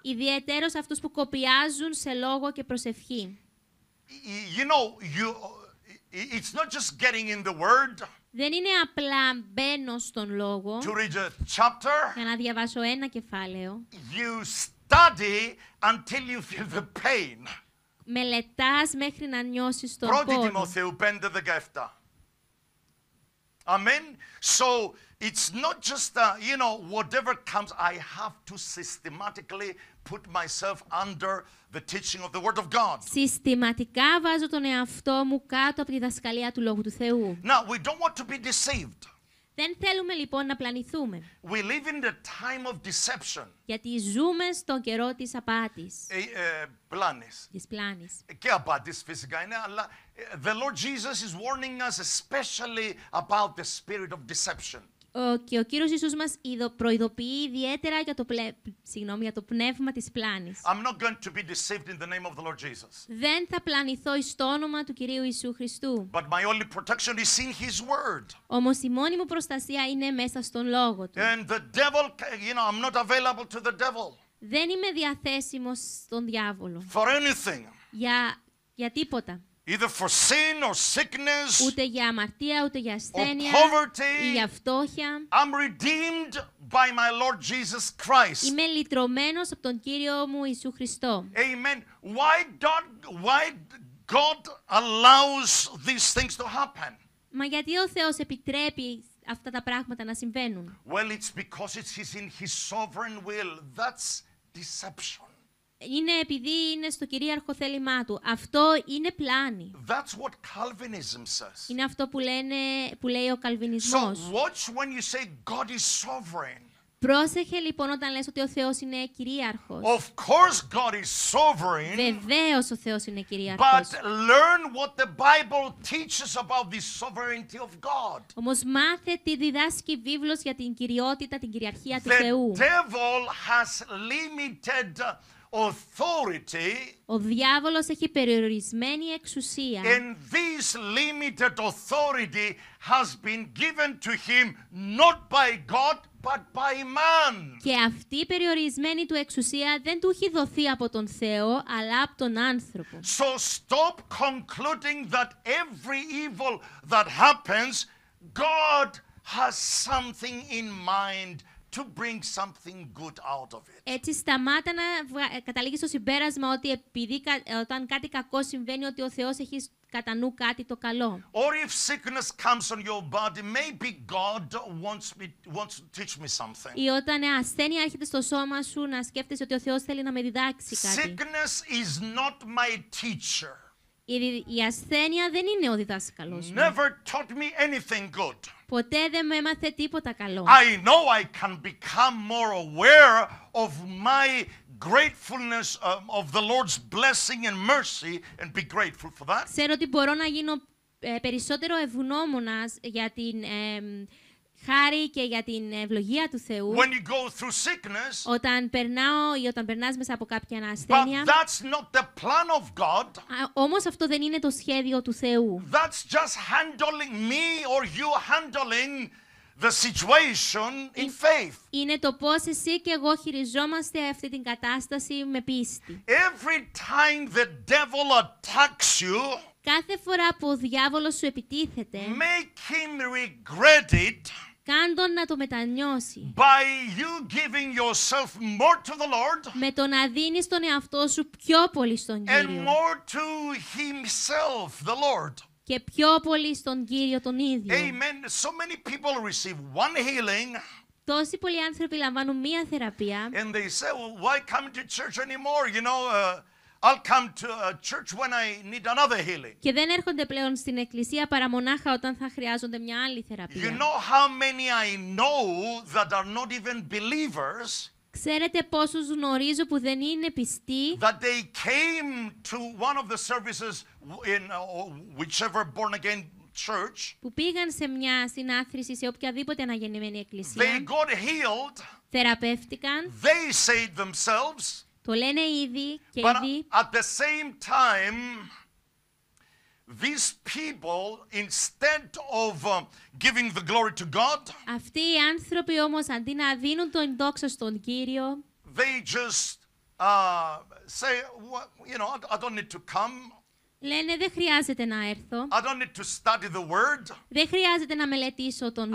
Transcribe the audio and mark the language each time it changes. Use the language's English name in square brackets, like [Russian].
[Greek] Ιδιαίτερος αυτούς που κοπιάζουν σε λόγο και προσευχή. [English] You know, it's not just getting in the word. [Greek] Δεν είναι απλά μπαίνω στον λόγο. [English] To read a chapter. [Greek] Για να διαβάσω ένα κεφάλαιο. [English] You study until you feel the pain. [Greek] Μελετάς μέχρι να νιώσεις τον πόνο. 1 Τιμοθέου 5:17. Amen. [English] So it's not just whatever comes, I have to systematically put myself under the teaching of the word of God. [Greek] Συστηματικά βάζω τον εαυτό μου κάτω από τη διδασκαλία του λόγου του Θεού. [English] Now, we don't want to be deceived. [Greek] Δεν θέλουμε λοιπόν να πλανηθούμε. [English] We live in the time of deception. [Greek] Γιατί ζούμε στον καιρό της απάτης. Της πλάνης. Και απάτης φυσικά είναι, αλλά [English] the Lord Jesus is warning us especially about the spirit of deception. [Greek] Και ο Κύριος Ιησούς μας προειδοποιεί ιδιαίτερα για το, για το πνεύμα της πλάνης. [English] I'm not going to be deceived in the name of the Lord Jesus. [Greek] Δεν θα πλανηθώ εις το όνομα του Κυρίου Ιησού Χριστού. [English] But my only protection is in His Word. [Greek] Όμως η μόνη μου προστασία είναι μέσα στον Λόγο Του. [English] And the devil, you know, I'm not available to the devil. [Greek] Δεν είμαι διαθέσιμος στον διάβολο. [English] For anything. [Greek] Για τίποτα. [English] Either for sin or sickness, [Greek] ούτε για αμαρτία, ούτε για ασθένεια, [English] or poverty, [Greek] ή για φτώχεια. [English] I'm redeemed by my Lord Jesus Christ. [Greek] Είμαι λυτρωμένος από τον Κύριό μου Ιησού Χριστό. [English] Amen. Why God allows these things to happen? [Greek] Μα γιατί ο Θεός επιτρέπει αυτά τα πράγματα να συμβαίνουν? [English] Well, it's because it's in His sovereign will. That's deception. [Greek] Είναι επειδή είναι στο κυρίαρχο θέλημά του. Αυτό είναι πλάνη. [English] That's what Calvinism says. [Greek] Είναι αυτό που, που λέει ο Καλβινισμός. [English] So watch when you say God is sovereign. [Greek] Πρόσεχε λοιπόν όταν λες ότι ο Θεός είναι κυρίαρχος. [English] Of course God is sovereign. [Greek] Βεβαίως ο Θεός είναι κυρίαρχος. [English] But learn what the Bible teaches about the sovereignty of God. [Greek] Όμως μάθε τι διδάσκει η Βίβλος για την κυριότητα, την κυριαρχία του [English] the [Greek] Θεού. [English] The devil has limited authority. [Greek] Ο διάβολος έχει περιορισμένη εξουσία. [English] And this limited authority has been given to him not by God but by man. [Greek] Και αυτή η περιορισμένη του εξουσία δεν του έχει δοθεί από τον Θεό αλλά από τον άνθρωπο. [English] So stop concluding that every evil that happens, God has something in mind to bring something good out of it. [Greek] Έτσι σταμάτα να καταλήγεις στο συμπέρασμα ότι επειδή όταν κάτι κακό συμβαίνει ότι ο Θεός έχει κατά νου κάτι το καλό. [English] Or if sickness comes on your body, maybe God wants to teach me something. [Greek] Ή όταν ασθένεια έρχεται στο σώμα σου να σκέφτεσαι ότι ο Θεός θέλει να με διδάξει κάτι. [English] Sickness is not my teacher. [Greek] Η ασθένεια δεν είναι ο διδάσκαλός μου. [English] Never taught me anything good. [Greek] Ποτέ δεν με έμαθε τίποτα καλό. [English] I know I can become more aware of my gratefulness of the Lord's blessing and mercy and be grateful for that. [Greek] Ξέρω ότι μπορώ να γίνω περισσότερο ευγνώμονας για την χάρη και για την ευλογία του Θεού. [English] When you go through sickness, [Greek] όταν περνάω ή όταν περνάς μέσα από κάποια ασθένεια. [English] But that's not the plan of God. [Greek] Όμως αυτό δεν είναι το σχέδιο του Θεού. [English] That's just handling me or you handling the situation in faith. [Greek] Είναι το πώς εσύ και εγώ χειριζόμαστε αυτή την κατάσταση με πίστη. [English] Every time the devil attacks you, [Greek] κάθε φορά που ο διάβολος σου επιτίθεται, [English] make him regret it, [Greek] κάντον να το μετανιώσει. [English] By you giving yourself more to the Lord, [Greek] με το να δίνεις τον εαυτό σου πιο πολύ στον Κύριο. [English] And more to himself, the Lord. [Greek] Και πιο πολύ στον Κύριο τον ίδιο. [English] Amen. So many people receive one healing. [Greek] Τόσοι πολλοί άνθρωποι λαμβάνουν μία θεραπεία. [English] And they say, well, why come to church anymore, you know, I'll come to a church when I need another healing. [Greek] Και δεν έρχονται πλέον στην εκκλησία παρά μονάχα όταν θα χρειάζονται μια άλλη θεραπεία. [English] You know how many I know that are not even believers. [Greek] Ξέρετε πόσους γνωρίζω που δεν είναι πιστοί. [English] That they came to one of the services in whichever born again church. [Greek] Που πήγαν σε μια συνάθρηση σε οποιαδήποτε αναγεννημένη εκκλησία. [English] They got healed. [Greek] Θεραπεύτηκαν. [English] They saved themselves. [Greek] Το λένε ήδη και [English] but [Greek] ήδη. [English] At the same time, these people, instead of giving the glory to God, [Greek] αυτοί οι άνθρωποι όμως αντί να δίνουν τον δόξα στον Κύριο, [English] they just say, well, you know, I don't need to come. [Greek] Λένε δεν χρειάζεται να έρθω. [English] I don't need to study the word. [Greek] Δεν χρειάζεται να μελετήσω τον